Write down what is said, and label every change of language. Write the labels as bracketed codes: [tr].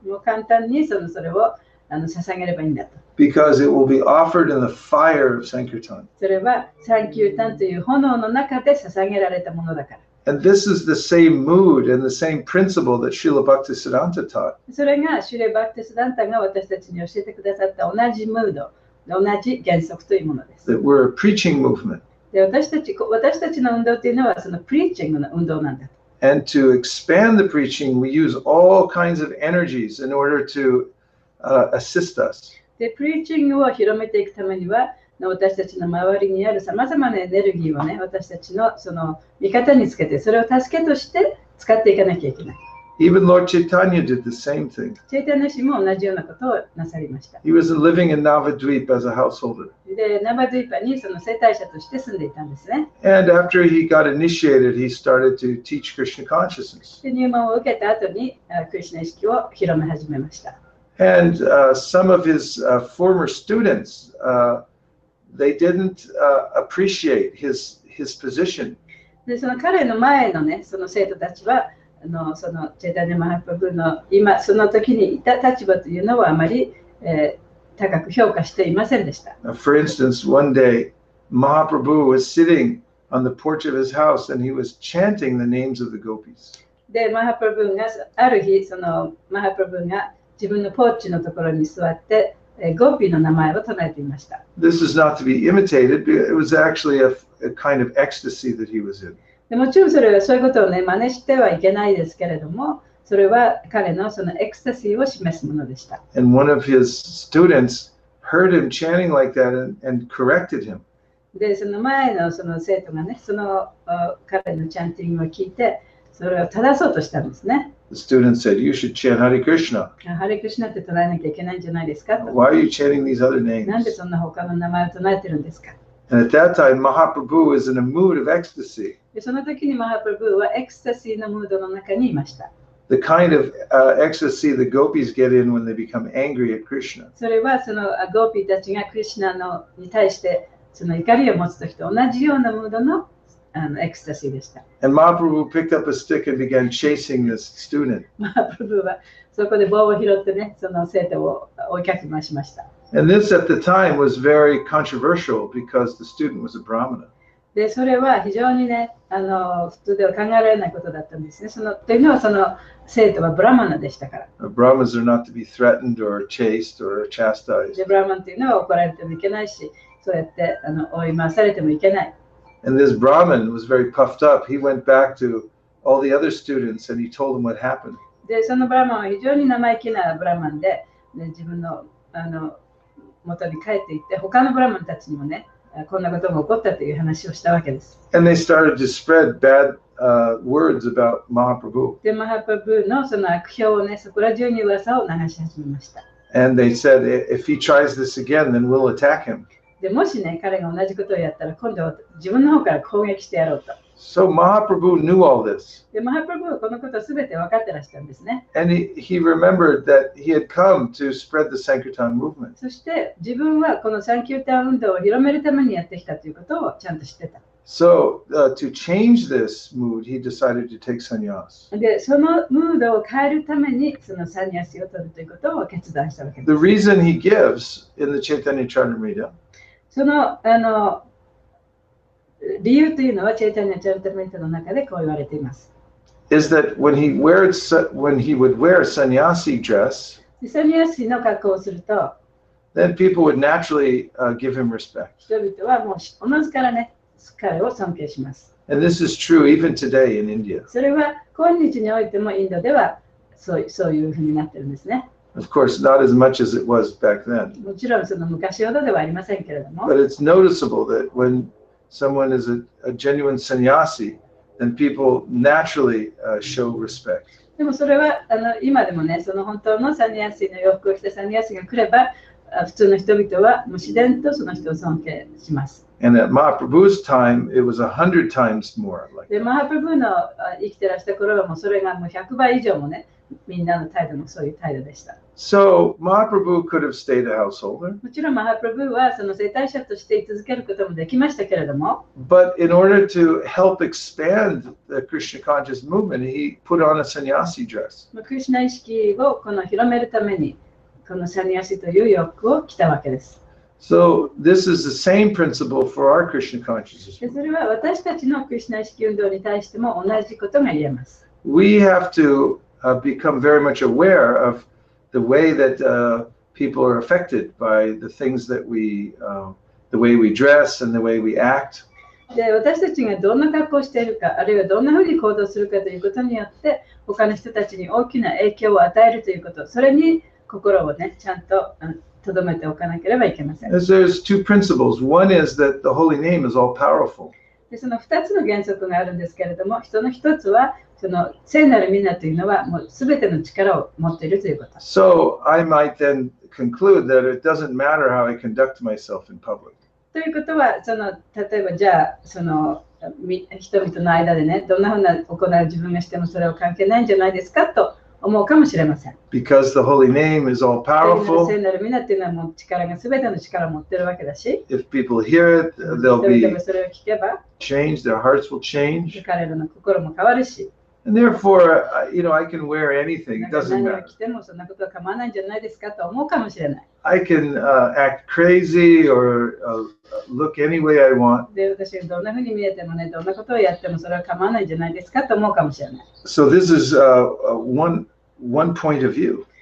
[ja] もう簡単にそれを捧げればいいんだと。 [en] Because it will be offered in the fire of Sankirtan. [ja] それはサンキュータンという炎の中で捧げられたものだから。 [en] And this is the same mood and the same principle that Srila Bhaktisiddhanta taught. [ja] それがシュラ・バクティ・シダンタが私たちに教えてくださった同じムード、同じ原則というものです。 [en] That we're a preaching movement. [ja] で、私たちの運動というのはそのプリーチングの運動なんだと。 [en] And to expand the preaching, we use all kinds of energies in order to assist us. [ja] で、プリーチングを広めていくためには、私たちの周りにあるさまざまなエネルギーをね、私たちのその味方につけて、それを助けとして使っていかなきゃいけない。 [en] Even Lord Chaitanya did the same thing. [ja] チェイタニア氏も同じようなことをなさりました。 [en] He was living in Navadvipa as a householder. [ja] で、ナバドゥイパにその世帯者として住んでいたんですね。 [en] And after he got initiated, he started to teach Krishna consciousness. [ja] で、入門を受けた後に、クリシナ意識を広め始めました。 [en] And some of his former students, they didn't appreciate his position. [ja] で、その彼の前のね、その生徒たちは、そのチェタニャ・マハプラブの今その時にいた立場というのはあまり、高く評価していませんでした。 [en] For instance, one day, Mahaprabhu was sitting on the porch of his house and he was chanting the names of the gopis. [ja] で、マハプラブがある日、そのマハプラブが自分のポーチのところに座って、ゴピの名前を唱えていました。 [en] This is not to be imitated, it was actually a kind of ecstasy that he was in. [ja] でもちろんそれはそういうことをね、真似してはいけないですけれども、それは彼のそのエクスタシーを示すものでした。 [en] And one of his students heard him chanting like that and corrected him. [ja] で、その前のその生徒がね、その彼のチャンティングを聞いて、それを正そうとしたんですね。 [en] The student said, you should chant Hare Krishna. [ja] Hare Krishna って唱えなきゃいけないんじゃないですかと。 [en] Why are you chanting these other names? [ja] なんでそんな他の名前を唱えてるんですか。 [en] And at that time, Mahaprabhu was in a mood of ecstasy. [ja] その時にマハプラブーはエクスタシーのムードの中にいました。 [en] The kind of ecstasy the gopis get in when they become angry at Krishna. [ja] それはそのゴーピーたちがクリシュナに対してその怒りを持つ時と同じようなムードのエクスタシーでした。 [en] And Mahaprabhu picked up a stick and began chasing this student. [ja] Mahaprabhu はそこで棒を拾ってね、その生徒を追いかけ回しました。 [en] And this at the time was very controversial because the student was a brahmana. [ja] で、それは非常にね、普通では考えられないことだったんですね。その、というのはその生徒はブラマナでしたから。 [en] The Brahmins are not to be threatened or chased or chastised. [ja] で、ブラマンというのは怒られてもいけないし、そうやって追い回されてもいけない。 [en] And this Brahmin was very puffed up. He went back to all the other students and he told them what happened. [ja] で、そのブラマンは非常に生意気なブラマンで、で自分の元に帰っていって、他のブラマンたちにもね、こんなことが起こったという話をしたわけです。 [en] And they started to spread bad, words about Mahaprabhu. [ja] で、マハプラブーのその悪評をね、そこら中に噂を流し始めました。 [en] And they said, if he tries this again, then we'll attack him. [ja] でもしね、彼が同じことをやったら、今度は自分の方から攻撃してやろうと。 [en] So Mahaprabhu knew all this. [ja] で、Mahaprabhu はこのことを全て分かってらしたんですね。 [en] And he remembered that he had come to spread the Sankirtan movement. [ja] そして、自分はこのサンキュータン運動を広めるためにやってきたということをちゃんと知ってた。 [en] So, to change this mood, he decided to take sannyas. [ja] で、そのムードを変えるために、そのサンニャスを取るということを決断したわけです。 [en] The reason he gives in the Chaitanya Charitamrita. [ja] その、理由というのはチェイタニャ・チャリタムリタの中でこう言われています。 [en] Is that when he would wear sannyasi dress, [ja] sannyasi の格好をすると、 [en] then people would naturally, give him respect. [ja] 人々はもうおのずからね、彼を尊敬します。 [en] And this is true even today in India. [ja] それは今日においてもインドではそういうふうになっているんですね。 [en] Of course, not as much as it was back then. [ja] もちろんその昔ほどではありませんけれども。 [en] But it's noticeable that when someone is a genuine sannyasi, then people naturally, show respect. [ja] でもそれは今でもね、その本当のサニヤシの洋服を着たサニヤシが来れば、普通の人々はもう自然とその人を尊敬します。 [en] And at Mahaprabhu's time, it was 100 times more. Like [ja] で、マハプラブーの生きてらした頃はもうそれがもう100倍以上もね、みんなの態度もそういう態度でした。 [en] So, Mahaprabhu could have stayed a householder. [ja] もちろん、マハプラブーはその生態者として居続けることもできましたけれども。 [en] But in order to help expand the Krishna conscious movement, he put on a sannyasi dress. [ja] まあ、クリシュナ意識をこの広めるために、このサニヤシという洋服を着たわけです。 [en] So, this is the same principle for our Krishna consciousness. [ja] それは私たちのクリシュナ意識運動に対しても同じことが言えます。 [en] We have to, become very much aware of the way that, people are affected by the things that we, the way we dress and the way we act. [ja] で、私たちがどんな格好をしているか、あるいはどんなふうに行動するかということによって、他の人たちに大きな影響を与えるということ、それに心をね、ちゃんと、留めておかなければいけません。 [en] As there's two principles. One is that the holy name is all powerful. [ja] で、その二つの原則があるんですけれども、人の一つは、その聖なるみんなというのは、もうすべての力を持っているということ。 [en] So I might then conclude that it doesn't matter how I conduct myself in public. [ja] ということは、その例えばじゃあ、その人々の間でね、どんなふうな行いを自分がしてもそれは関係ないんじゃないですかと、思うかもしれません。 [en] Because the holy name is all powerful. [ja] 聖なる皆というのはもう力が全ての力を持っているわけだし。 [en] If people hear it, they'll be. [ja] 人々もそれを聞けば。 [en] Change, their hearts will change. [ja] 彼らの心も変わるし。 [en] And therefore, you know, I can wear anything. It doesn't matter. [ja] 何を着てもそんなことは構わないんじゃないですかと思うかもしれない。 [en] I can, act crazy or, look any way I want. [ja] で、私がどんなふうに見えてもね、どんなことをやってもそれは構わないんじゃないですかと思うかもしれない。 [en] So this is, one point of view.